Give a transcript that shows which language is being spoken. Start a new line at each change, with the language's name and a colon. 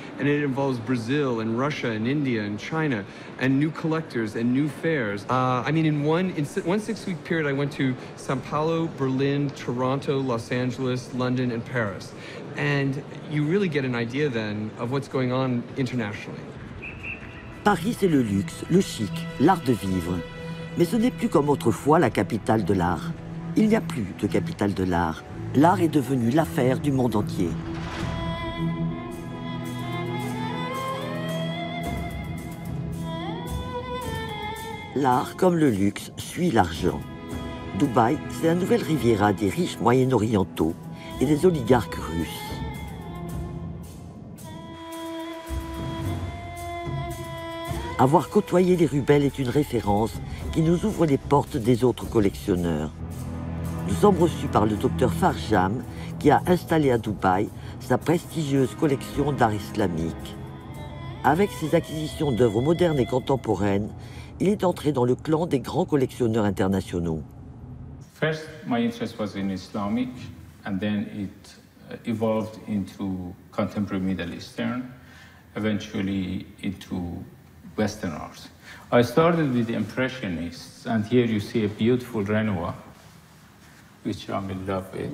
English: And it involves Brazil and Russia and India and China and new collectors and new fairs. In one six-week period, I went to Sao Paulo, Berlin, Toronto, Los Angeles, London, and Paris. And you really get an idea then of what's going on internationally.
French: Paris, c'est le luxe, le chic, l'art de vivre. Mais ce n'est plus comme autrefois la capitale de l'art. Il n'y a plus de capitale de l'art. L'art est devenu l'affaire du monde entier. L'art, comme le luxe, suit l'argent. Dubaï, c'est la nouvelle riviera des riches moyen-orientaux et des oligarques russes. Avoir côtoyé les rubelles est une référence qui nous ouvre les portes des autres collectionneurs. Nous sommes reçus par le docteur Farjam, qui a installé à Dubaï sa prestigieuse collection d'art islamique. Avec ses acquisitions d'œuvres modernes et contemporaines, il est entré dans le clan des grands collectionneurs internationaux.
English: First, my interest was in Islamic, and then it evolved into contemporary Middle Eastern, eventually into Western art. I started with the Impressionists, and here you see a beautiful Renoir, which I'm in love with.